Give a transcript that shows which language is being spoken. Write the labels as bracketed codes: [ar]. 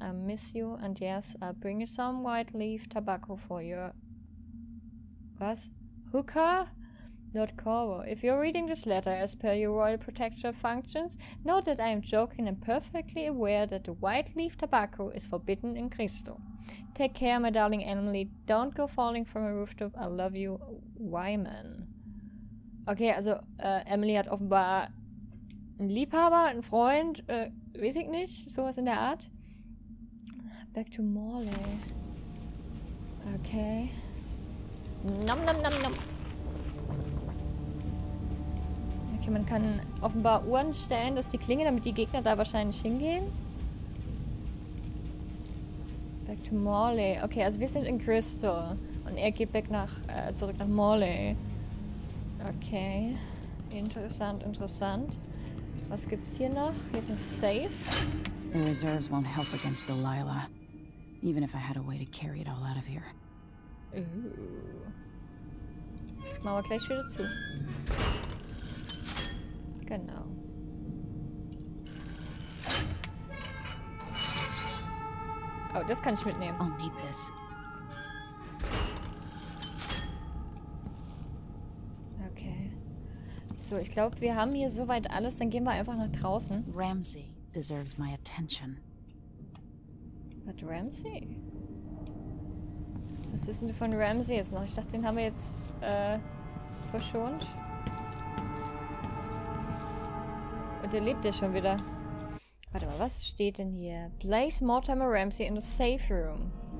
[en] I miss you, and yes, I'll bring you some white leaf tobacco for your... What? Hookah? Lord Corvo, if you're reading this letter as per your royal protector functions, know that I am joking and perfectly aware that the white leaf tobacco is forbidden in Cristo. Take care, my darling Emily. Don't go falling from a rooftop. I love you. Wyman. [de] Okay, also Emily hat offenbar einen Liebhaber, einen Freund, weiß ich nicht, sowas in der Art. [en] Back to Morley. [de] Okay. Nom nom nom nom. Okay, man kann offenbar Uhren stellen, dass die klingen, damit die Gegner da wahrscheinlich hingehen. [en] Back to Morley. [de] Okay, also wir sind in Crystal. Und er geht back nach, zurück nach Morley. Okay. Interessant, interessant. Was gibt's hier noch? Hier ist ein Safe. [en] The reserves won't help against Delilah. Even if I had a way to carry it all out of here. Ooh. [de] Machen wir gleich wieder zu. Genau. Oh, das kann ich mitnehmen. [en] I'll need this. [de] So, ich glaube, wir haben hier soweit alles. Dann gehen wir einfach nach draußen. [en] Ramsay deserves my attention. But Ramsay? [de] Was wissen wir von Ramsay jetzt noch? Ich dachte, den haben wir jetzt verschont. Und der lebt ja schon wieder. Warte mal, was steht denn hier? [en] Place Mortimer Ramsay in the safe room.